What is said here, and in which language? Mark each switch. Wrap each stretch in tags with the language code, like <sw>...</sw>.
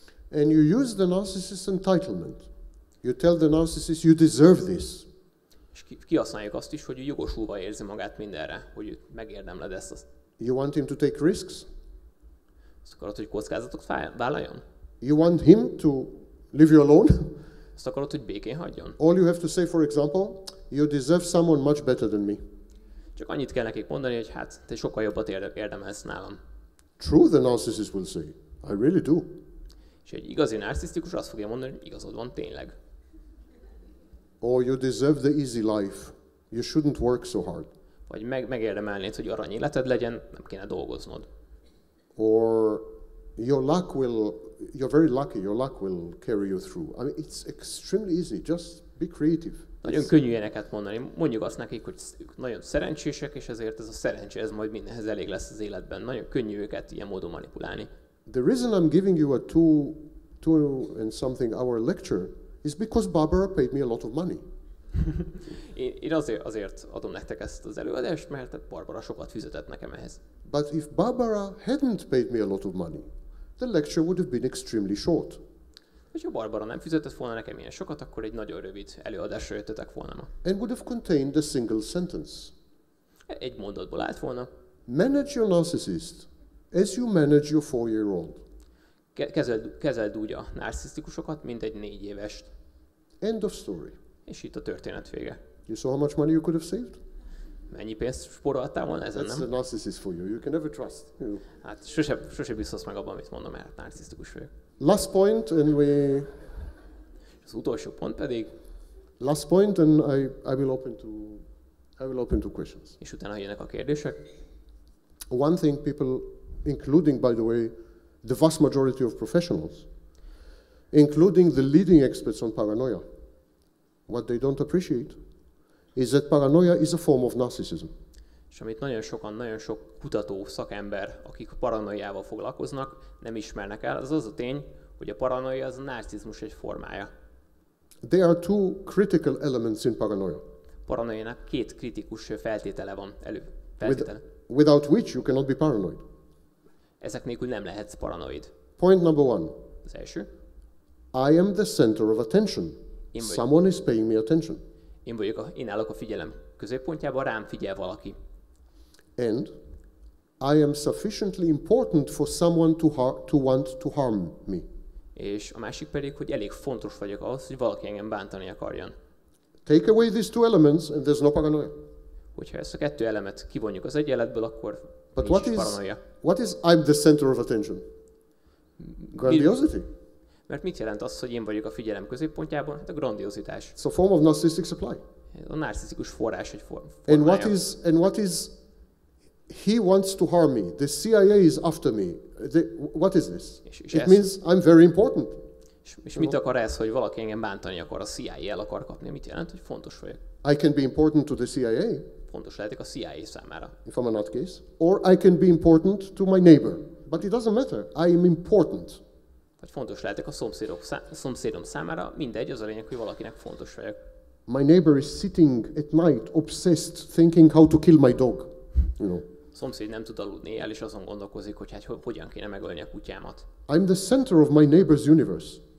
<en>And you use the narcissist's entitlement. You tell the narcissist you deserve this.</en> <hu>És kihasználjuk azt is, hogy ő jogosulva érzi magát mindenre, hogy ő megérdemled ezt.</hu> <en>You want him to take risks?</en> <hu>Azt akarod, hogy kockázatot vállaljon?</hu> <en>You want him to leave you alone?</en> <hu>Azt akarod, hogy békén hagyjon?</hu> <en>All you have to say, for example, you deserve someone much better than me.</en> <hu>Csak annyit kell nekik mondani, hogy hát, te sokkal jobbat érdemelsz nálam.</hu> <en>True, the narcissist will say. I really do.</en> <hu>És egy igazi narcisztikus azt fogja mondani, hogy igazod van tényleg.</hu> <en>Or you deserve the easy life. You shouldn't work so hard.</en> <hu>Vagy megérdemelnéd, hogy arany életed legyen, nem kéne dolgoznod.</hu> <en>Or you're very lucky, your luck will carry you through. I mean, it's extremely easy, just be creative.</en> <hu>Nagyon könnyű ilyeneket mondani, mondjuk azt nekik, hogy ők nagyon szerencsések, és ezért ez a szerencse, ez majd mindenhez elég lesz az életben. Nagyon könnyű őket ilyen módon manipulálni.</hu> <en>The reason I'm giving you a two and something hour lecture is because Barbara paid me a lot of money.</en> <hu>Én azért adom nektek ezt az előadást, mert Barbara sokat fizetett nekem ehhez.</hu> <en>But if Barbara hadn't paid me a lot of money, the lecture would have been extremely short.</en> <hu>Hogyha Barbara nem fizetett volna nekem ilyen sokat, akkor egy nagyon rövid előadásra jöttetek volna ma.</hu> <en>And would have contained a single sentence.</en> <hu>Egy mondatból állt volna.</hu> <en>Manage your narcissist as you manage your 4-year-old.</en> <hu>Kezeld úgy a narcisztikusokat, mint egy 4 évest.</hu> <en>End of story.</en> <hu>És itt a történet vége.</hu> <en>You saw how much money you could have saved?</en> <hu>Mennyi pénzt spóroltál volna ezen, nem?</hu> <en>That's a narcissist for you. You can never trust. You.</en> <hu>Hát sose biztosz meg abban, amit mondom, mert narcisztikus vagyok.</hu> <en>Last point, and we...</en> <hu>Az utolsó pont pedig...</hu> <en>Last point, and I will open to questions.</en> <hu>És utána jönnek a kérdések.</hu> <en>One thing people, including, by the way, the vast majority of professionals, including the leading experts on paranoia, what they don't appreciate is that paranoia is a form of narcissism.</en> <hu>És amit nagyon sokan, nagyon sok kutató, szakember, akik paranoiával foglalkoznak, nem ismernek el, az a tény, hogy a paranoia az a narcizmus egy formája.</hu> <en>There are two critical elements in paranoia.</en> <hu>Paranoiának két kritikus feltétele van elő.</hu> <en>Without which you cannot be paranoid.</en> <hu>Ezek nélkül nem lehetsz paranoid.</hu> <en>Point number one.</en> <hu>Az első.</hu> <en>I am the center of attention. Someone is paying me attention.</en> <hu>Én állok a figyelem középpontjában, rám figyel valaki.</hu> <en>And I am sufficiently important for someone to want to harm me.</en> <hu>És a másik pedig, hogy elég fontos vagyok ahhoz, hogy valaki engem bántani akarjon.</hu> <en>Take away these two elements and there's no paranoia.</en> <hu>Hogyha ezt a kettő elemet kivonjuk az egyenletből, akkor</hu> <en>but</en> <hu>nincs paranoia.</hu> <en>What is I'm the center of attention? Grandiosity.</en> <hu>Mert mit jelent az, hogy én vagyok a figyelem középpontjában? Hát a grandiozitás.</hu> <en>So form of narcissistic supply.</en> <hu>A narcisztikus forrás egy formája.</hu> <en>And what is he wants to harm me? The CIA is after me. What is this? It means I'm very important.</en> <hu>És mit akar ez, hogy valaki engem bántani akar, a CIA el akar kapni? Mit jelent, hogy fontos vagyok?</hu> <en>I can be important to the CIA.</en> <hu>fontos lehetek a CIA számára.</hu> <en>If I'm a nutcase, or I can be important to my neighbor, but it doesn't matter. I am important.</en> <hu>Vagy fontos lehetek a szomszédom számára, mindegy, az a lényeg, hogy valakinek fontos vagyok.</hu> <en>My neighbor is sitting at night, obsessed, thinking how to kill my dog. You know.</en> <hu>Szomszéd nem tud aludni el, és azon gondolkozik, hogy hát hogyan kéne megölni a kutyámat.</hu> <en>I'm the center of my neighbor's universe.</en>